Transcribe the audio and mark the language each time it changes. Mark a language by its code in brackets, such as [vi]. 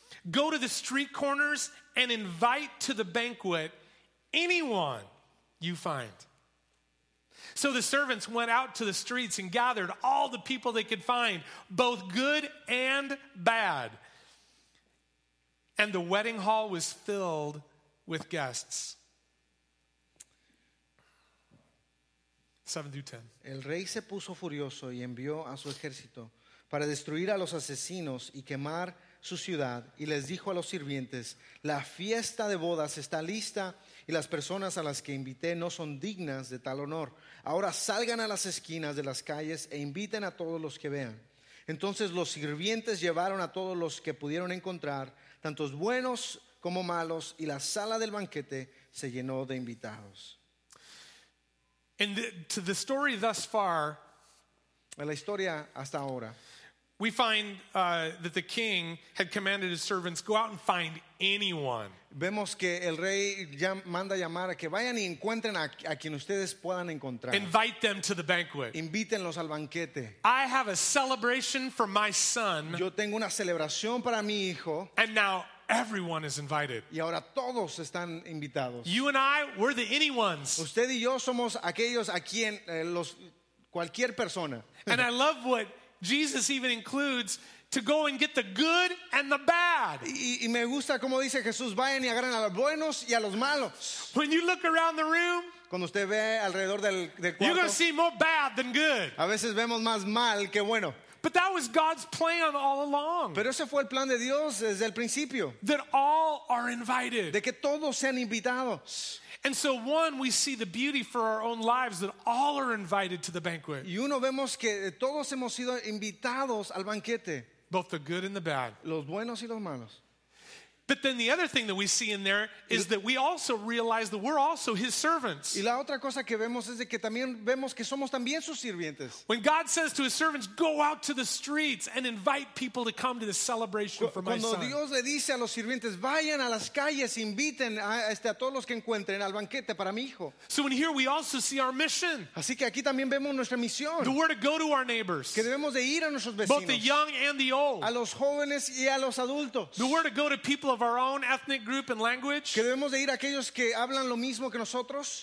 [en] Go to the street corners and invite to the banquet anyone you find. So the servants went out to the streets and gathered all the people they could find, both good and bad. And the wedding hall was filled with guests. 7-10. [es] El rey se puso furioso y envió a su ejército para destruir a los asesinos y quemar su ciudad. Y les dijo a los sirvientes: la fiesta de bodas está lista y las personas a las que invité no son dignas de tal honor. Ahora salgan a las esquinas de las calles e inviten a todos los que vean. Entonces los sirvientes llevaron a todos los que pudieron encontrar, tantos buenos como malos, y la sala del banquete se llenó de invitados. [en] And to the story thus far, [es] en la historia hasta ahora, [en] we find that the king had commanded his servants, go out and find anyone. [es] Vemos que el rey manda llamar a que vayan y encuentren a quien ustedes puedan encontrar. [en] Invite them to the banquet. [es] Invítenlos al banquete. [en] I have a celebration for my son. [es] Yo tengo una celebración para mi hijo. [en] And now everyone is invited. [es] Y ahora todos están invitados. [en] You and I, we're the anyones. [es] Usted y yo somos aquellos a quien los cualquier persona. [en] And I love what Jesus even includes, to go and get the good and the bad. [es] Y me gusta como dice Jesús, vayan y agarren a los buenos y a los malos. [en] When you look around the room, [es] cuando usted ve alrededor del cuarto, [en] you're going to see more bad than good. [es] A veces vemos más mal que bueno. [en] But that was God's plan all along. [es] Pero ese fue el plan de Dios desde el principio. [en] That all are invited. [es] De que todos sean invitados. [en] And so one, we see the beauty for our own lives that all are invited to the banquet. [es] Y uno vemos que todos hemos sido invitados al banquete. [en] Both the good and the bad. [es] Los buenos y los malos. [en] But then the other thing that we see in there is that we also realize that we're also his servants. [es] Y la otra cosa que vemos es de que también vemos que somos también sus sirvientes. [en] When God says to his servants, go out to the streets and invite people to come to the celebration for my [es] cuando [en] son. [es] Cuando Dios le dice a los sirvientes, vayan a las calles, inviten a todos los que encuentren al banquete para mi hijo. [en] So in here we also see our mission. [es] Así que aquí también vemos nuestra misión. [en] That we're to go to our neighbors. [es] Que debemos de ir a nuestros vecinos. [en] Both the young and the old. [es] A los jóvenes y a los adultos. [en] That we're to go to people of our own ethnic group and language, [es] que debemos de ir a aquellos que hablan lo mismo que nosotros,